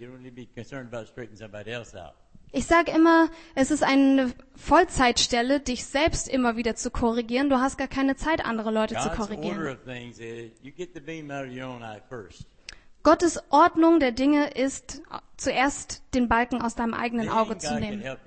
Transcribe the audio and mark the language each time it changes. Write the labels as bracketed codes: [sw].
[en] You don't need to be concerned about straightening somebody else out. [de] Ich sage immer, es ist eine Vollzeitstelle, dich selbst immer wieder zu korrigieren. Du hast gar keine Zeit, andere Leute [en] God's [de] zu korrigieren. [en] Order of things is, you get the beam out of your own eye first. [de] Gottes Ordnung der Dinge ist, zuerst den Balken aus deinem eigenen Auge zu nehmen.